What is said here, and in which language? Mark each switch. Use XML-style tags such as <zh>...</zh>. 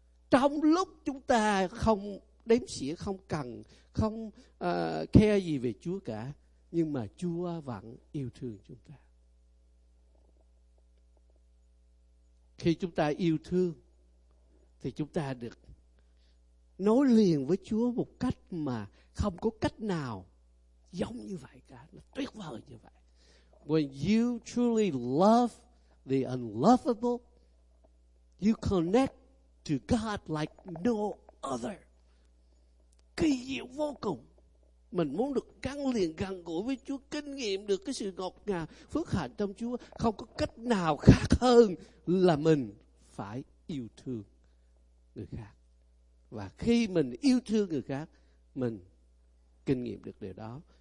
<vi>Trong lúc chúng ta không đếm xỉa, không cần, không care gì về Chúa cả, nhưng mà Chúa vẫn yêu thương chúng ta. Khi chúng ta yêu thương thì chúng ta được nối liền với Chúa một cách mà không có cách nào giống như vậy cả. Nó tuyệt vời như vậy.</vi> <en>When you truly love the unlovable, you connect to God like no other.</en> <vi>Kỳ diệu vô cùng. Mình muốn được gắn liền gần gũi với Chúa, kinh nghiệm được cái sự ngọt ngào, phước hạnh trong Chúa. Không có cách nào khác hơn là mình phải yêu thương người khác. Và khi mình yêu thương người khác, mình kinh nghiệm được điều đó.</vi>